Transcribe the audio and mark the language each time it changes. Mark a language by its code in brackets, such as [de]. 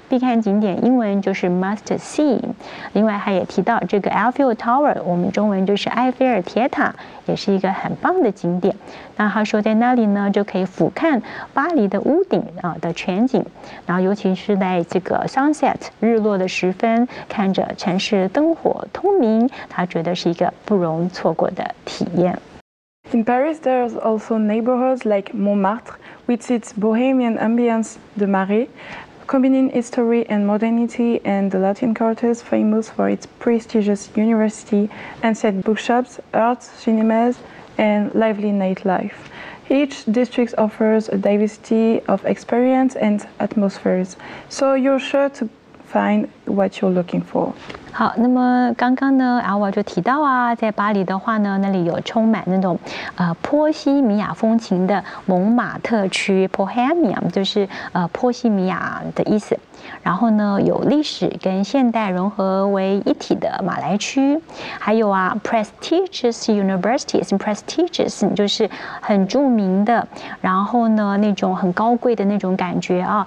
[zh] 必看景点英文就是 must see。另外，他也提到这个 Eiffel Tower， 我们中文就是埃菲尔铁塔，也是一个很棒的景点。那他说在那里呢，就可以俯瞰巴黎的屋顶的全景，然后尤其是在这个 sunset 日落的时分，看着城市灯火通明，他觉得是一个不容错过的体验。 [en] In Paris, there are also neighborhoods like Montmartre, with its bohemian ambiance, the Marais, combining history and modernity, and the Latin Quarter, famous for its prestigious university, ancient bookshops, art, cinemas. And lively nightlife. Each district offers a diversity of experience and atmospheres, so you're sure to find what you're looking for. [zh] 好，那么刚刚呢，阿瓦就提到在巴黎的话呢，那里有充满那种波西米亚风情的蒙马特区 （Bohemian）， 就是波西米亚的意思。然后呢，有历史跟现代融合为一体的马来区，还有 [en] prestigious universities， [zh] prestigious 就是很著名的，然后呢那种很高贵的那种感觉